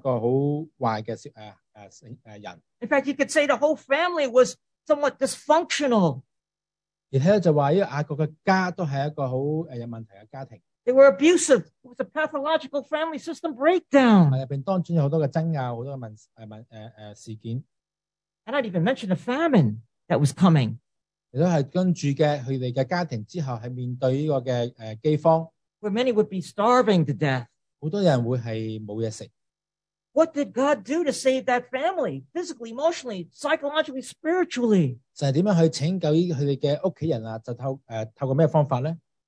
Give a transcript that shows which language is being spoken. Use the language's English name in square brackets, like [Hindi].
[Chinese] 雅各他这个仔就是说会成为一个很坏的人。 [English] In fact, you could say the whole family was somewhat dysfunctional. [Chinese] 而且就说这个雅各的家都是一个很有问题的家庭。 [English] They were abusive. It was a pathological family system breakdown. [Chinese] 里面当中有很多的争拗，很多的事件。 [English] And I'd even mention the famine that was coming. [Chinese] 也是跟着他们的家庭之后是面对这个饥荒。 [English] Where many would be starving to death. [Chinese] 很多人会是没有食物。 [English] What did God do to save that family? Physically, emotionally, psychologically, spiritually. [Chinese] 就是怎样去拯救他们的家人，透过什么方法呢？